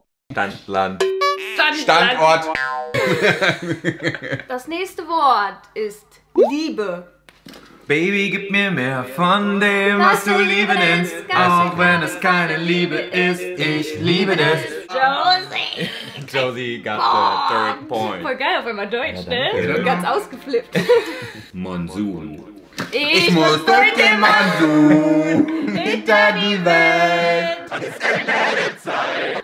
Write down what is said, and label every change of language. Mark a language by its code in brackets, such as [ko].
[de] Stadtland. Standort. Das nächste Wort ist Liebe. Baby, gib mir mehr von dem, was du Liebe nennst. Auch wenn es keine Liebe ist, ich liebe das. Josie. [en] Josie got the third point. [de] Voll geil, auf einmal Deutsch, ne? Ich bin ganz ausgeflippt. Monsun. Ich muss durch den Monsun hinter die Welt.